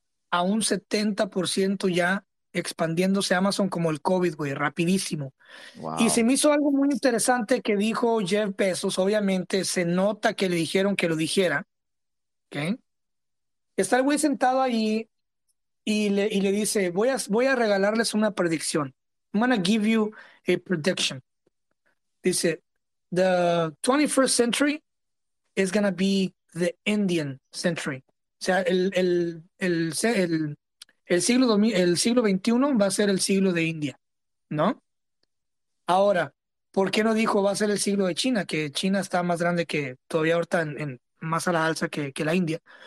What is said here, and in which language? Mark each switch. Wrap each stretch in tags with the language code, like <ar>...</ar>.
<es>a un 70% ya expandiéndose Amazon como el COVID, güey, rapidísimo. Y se Wow. me hizo algo muy interesante que dijo Jeff Bezos. Obviamente se nota que le dijeron que lo dijera. ¿Okay? Está el güey sentado ahí y le dice, voy a regalarles una predicción.</es> <en>I'm gonna give you a prediction.</en> <es>Dice,</es> <en>the 21st century is gonna be the Indian century.</en> <es>O sea, el siglo XXI va a ser el siglo de India, ¿no? Ahora, ¿por qué no dijo va a ser el siglo de China? Que China está más grande que todavía ahorita más a la alza que la India.</es>